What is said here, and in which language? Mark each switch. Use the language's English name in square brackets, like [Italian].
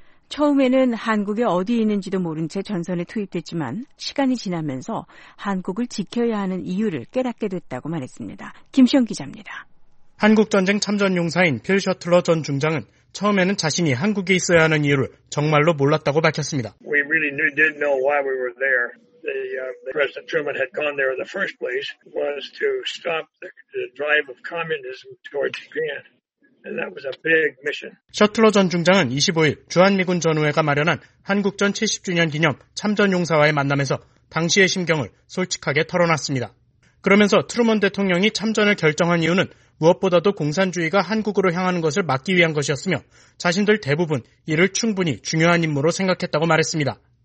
[Korean] 처음에는 한국에 어디 있는지도 모른 채 전선에 투입됐지만 시간이 지나면서 한국을 지켜야 하는 이유를 깨닫게 됐다고 말했습니다. 김시영 기자입니다. 한국전쟁 참전용사인 필 셔틀러 전 중장은 처음에는 자신이 한국에 있어야 하는 이유를 정말로 몰랐다고 밝혔습니다. [English] We really didn't know why we were there. President Truman had gone there in the first place was to stop the drive of communism towards Japan. And that was a big mission. [Korean] 셔틀러 전 중장은 25일 주한미군 전우회가 마련한 한국전 70주년 기념 참전용사와의 만남에서 당시의 심경을 솔직하게 털어놨습니다. 그러면서 트루먼 대통령이 참전을 결정한 이유는 무엇보다도 공산주의가 한국으로 향하는 것을 막기 위한 것이었으며 자신들 대부분 이를 충분히 중요한 임무로 생각했다고 말했습니다.